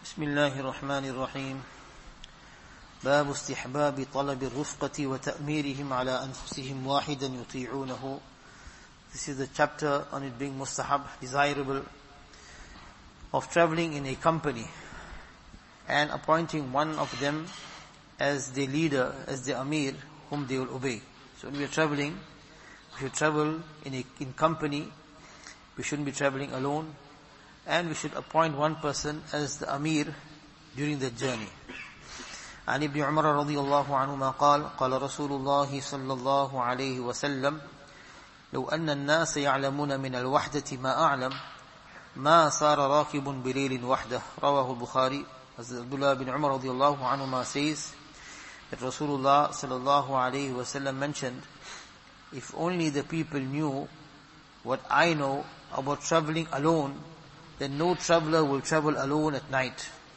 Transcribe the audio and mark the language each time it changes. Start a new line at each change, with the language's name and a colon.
Arabic: بسم الله الرحمن الرحيم باب استحباب طلب الرفقة وتأميرهم على أنفسهم واحدا يطيعونه.
English: This is the chapter on it being mustahab, desirable, of traveling in a company and appointing one of them as the leader, as the amir, whom they will obey. So when we are traveling, we should travel in company, we shouldn't be traveling alone. And we should appoint one person as the Amir during that journey.
Arabic: عن ابن عمر رضي الله عنهما قال قال رسول الله صلى الله عليه وسلم لو أن الناس يعلمون من الوحدة ما أعلم ما صار راكب بليل وحده. رواه البخاري.
English: عبد الله بن عمر
Arabic: رضي الله عنهما
English: says that Rasulullah
Arabic: صلى الله عليه وسلم
English: mentioned, if only the people knew what I know about traveling alone, then no traveler will travel alone at night.